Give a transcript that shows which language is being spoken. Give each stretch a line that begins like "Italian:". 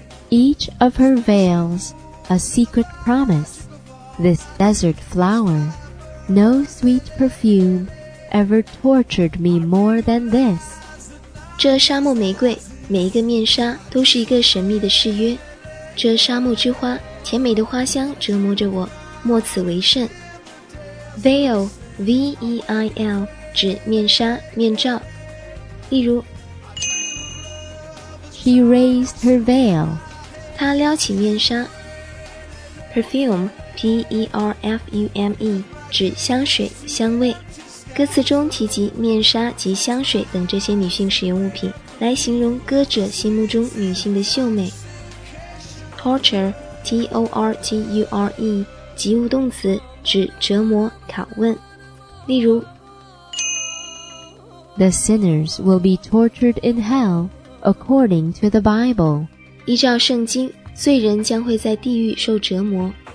English: Each of her veils, a secret promise. This desert flower, no sweet perfume ever tortured me more than this.
Chinese: 这沙漠玫瑰，每一个面纱都是一个神秘的誓约。这沙漠之花，甜美的花香折磨着我，莫此为甚。 Veil, V-E-I-L, 指面纱、面罩。例如
English: She raised her veil.
Chinese: 她撩起面纱。 Perfume, P-E-R-F-U-M-E, 指香水、香味。歌词中提及面纱及香水等这些女性使用物品，来形容歌者心目中女性的秀美。 Torture, T-O-R-T-U-R-E, 及物动词，指折磨、拷问。例如
English: The sinners will be tortured in hell, according to the Bible.
Chinese: 依照圣经，罪人将会在地狱受折磨。